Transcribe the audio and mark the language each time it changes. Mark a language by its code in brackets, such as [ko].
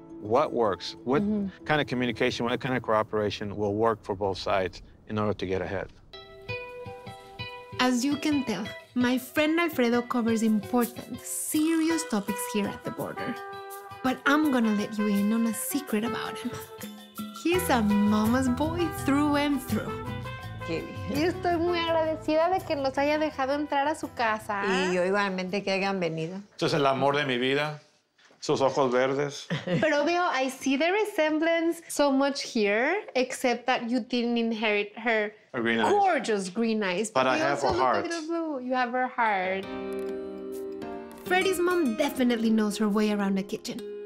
[en] What works? What mm-hmm. kind of communication, what kind of cooperation will work for both sides in order to get ahead? As you can tell, my friend Alfredo covers important, serious topics here at the border. But I'm gonna let you in on a secret about him. He's a mama's boy through and through. [es] tiene. Y estoy muy agradecida de que nos haya dejado entrar a su casa. Y yo igualmente que hayan venido. Esto es el amor de mi vida. Sus ojos verdes. Pero veo, [en] I see the resemblance so much here, except that you didn't inherit her green gorgeous eyes. Green eyes. But I have her heart. You have her heart. Freddy's mom definitely knows her way around the kitchen.